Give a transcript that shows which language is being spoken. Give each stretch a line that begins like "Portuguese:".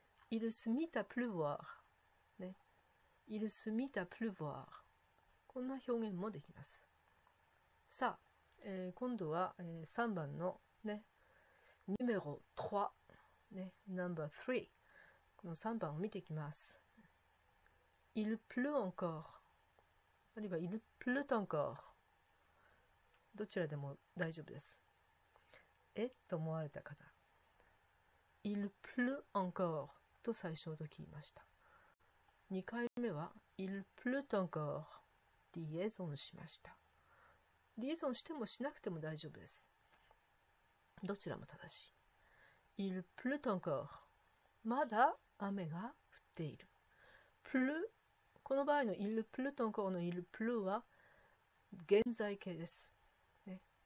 French: Il se mit à pleuvoir、ね、Il se mit à pleuvoir、
Japanese: こんな表現もできます。さあ、今度は、3番のね、Numéro 3、ね、Number 3、 この3番を見ていきます。
French: Il pleut encore. あるいは Il pleut encore.
Japanese: どちらでも大丈夫です。と思われた方。
French: Il pleut encore.
Japanese: と最初の時言いました。 2回目は
French: Il pleut encore.
Japanese: リエゾンしました。リエゾンしてもしなくても大丈夫です。どちらも正しい。
French: Il pleut encore.
Japanese: まだ雨が降っている。 Pleut、この場合の
French: il pleut encore
Japanese: の il pleut は現在形です、ね。